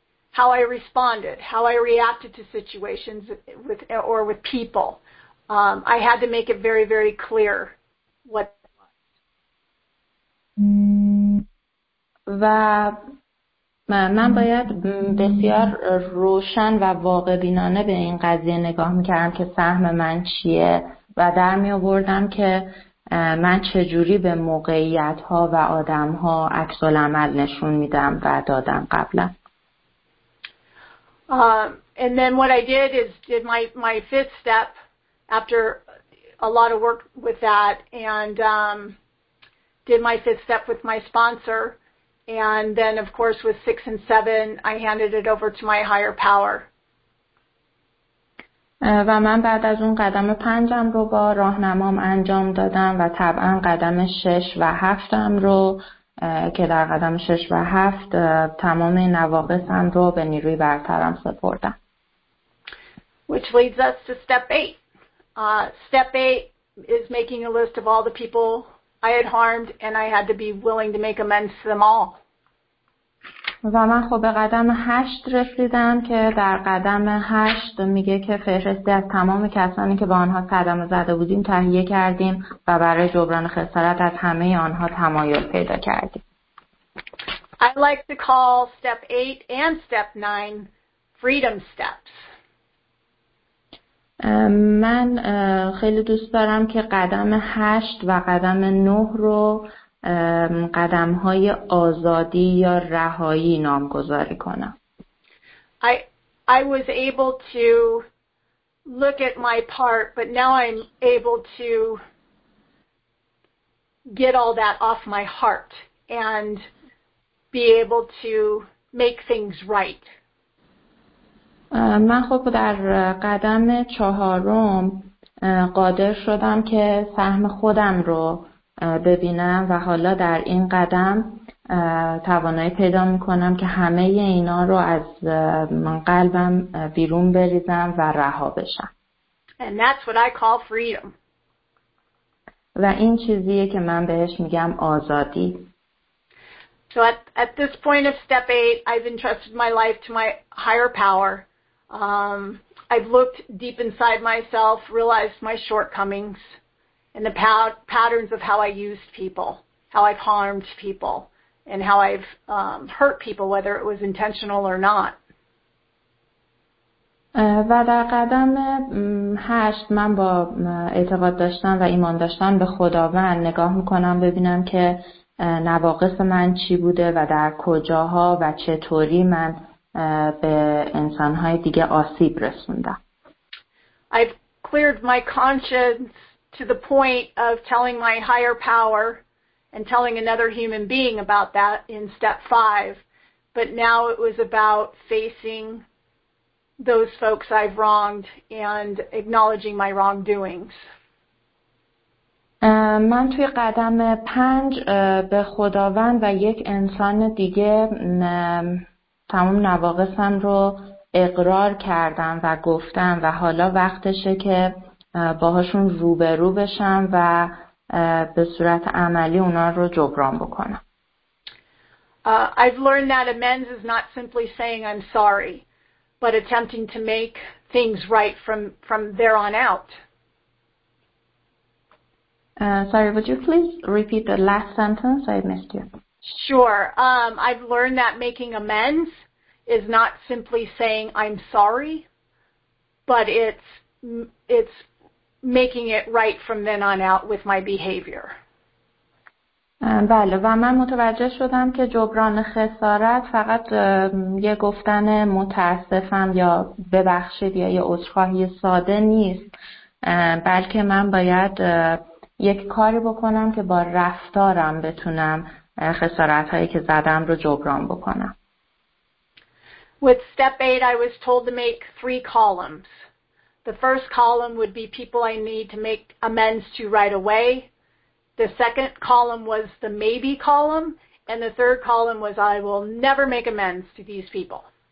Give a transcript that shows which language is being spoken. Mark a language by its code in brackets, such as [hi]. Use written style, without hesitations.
[en] how I responded, how I reacted to situations with or with people. I had to make it very, very clear what that was. [fa] و من باید بسیار روشن و واقع بینانه به این قضیه نگاه میکردم که سهم من چیه و در میآوردم که من چجوری به موقعیت ها و آدم ها عکس العمل نشون میدم و دادم قبلا. [en] And then what I did is did my fifth step after a lot of work with that and did my fifth step with my sponsor. And then, of course, with 6 and 7, I handed it over to my higher power. [fa] و من بعد از اون قدم پنجم رو با راهنمام انجام دادم و طبعا قدم 6 و 7 رو که در قدم 6 و 7 تمام نواقصم رو به نیروی برترم سپردم. [en] Which leads us to step 8. Step 8 is making a list of all the people I had harmed, and I had to be willing to make amends to them all. [fa] و من خب به قدم 8 رسیدم که در قدم 8 میگه که فهرستی از تمام کسانی که با آنها صدمه زده بودیم تهیه کردیم و برای جبران خسارت از همه آنها تمایل پیدا کردیم. [en] I like to call step 8 and step 9 freedom steps. [fa] من خیلی دوست دارم که قدم 8 و قدم 9 رو قدم‌های آزادی یا رهایی نامگذاری کنم. [en] I was able to look at my part, but now I'm able to get all that off my heart and be able to make things right. [fa] من خب در قدم 4 قادر شدم که سهم خودم رو ببینم و حالا در این قدم توانایی پیدا میکنم که همه اینا رو از قلبم بیرون بریزم و رها بشم. [en] And that's what I call freedom. [fa] و این چیزیه که من بهش میگم آزادی. [en] So at this point of step 8, I've entrusted my life to my higher power. I've looked deep inside myself, realized my shortcomings and the patterns of how I used people, how I've harmed people, and how I've hurt people, whether it was intentional or not. [fa] و در قدم 8 من با اعتقاد داشتن و ایمان داشتن به خداوند نگاه میکنم ببینم که نواقص من چی بوده و در کجاها و چطوری من به انسانهای دیگه آسیب رسوندم. [en] I've cleared my conscience to the point of telling my higher power and telling another human being about that in step 5, but now it was about facing those folks I've wronged and acknowledging my wrongdoings. [fa] من توی قدم 5 به خداوند و یک انسان دیگه تمام نواقصم رو اقرار کردم و گفتم و حالا وقتشه که باهاشون روبرو بشم و به صورت عملی اونا رو جبران بکنم. [en] I've learned that amends is not simply saying I'm sorry, but attempting to make things right from there on out. Sorry, would you please repeat the last sentence? I missed you. Sure. I've learned that making amends is not simply saying I'm sorry, but it's making it right from then on out with my behavior. [fa] بله و من متوجه شدم که جبران خسارت فقط یه گفتن متاسفم یا ببخشید یا یه عذرخواهی ساده نیست، بلکه من باید یک کاری بکنم که با رفتارم بتونم خسارتهایی که زدم رو جبران بکنم. [en] With step 8 I was told to make 3 columns. The first column would be people I need to make amends to right away. The second column was the maybe column. And the third column was I will never make amends to these people.